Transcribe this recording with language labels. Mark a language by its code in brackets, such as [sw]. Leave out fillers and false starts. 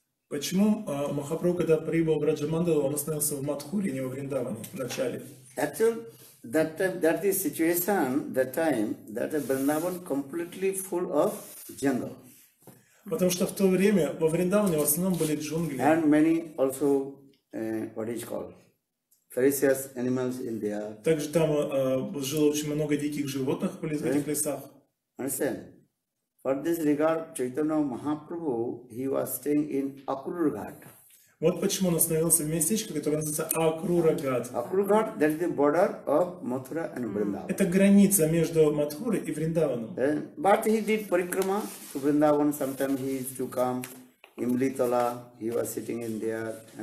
[ru] Почему Махапрабху, когда прибыл в Раджамандалу, он остановился в Матхуре, не в Вриндаване, в начале? [en] That is situation, that time, that Vrindavan completely full of jungle. [ru] Потому что в то время во Вриндаване в основном были джунгли. [en] And many also, what is called, ferocious animals in there. [ru] Также там жило очень много диких животных в этих [en] right? [ru] лесах. [en] Understand? For this regard, Chaitanya Mahaprabhu, he was staying in Akrurghat. [ru] Вот почему он остановился в местечке, которое называется Акрурагат. [en] Акрурагат, that is the border of Mathura and Vrindavan. [ru] Это граница между Матхурой и Вриндаваном. [en] But he did parikrama to Vrindavan. Sometimes he used to come in Imlitala. He was sitting in there.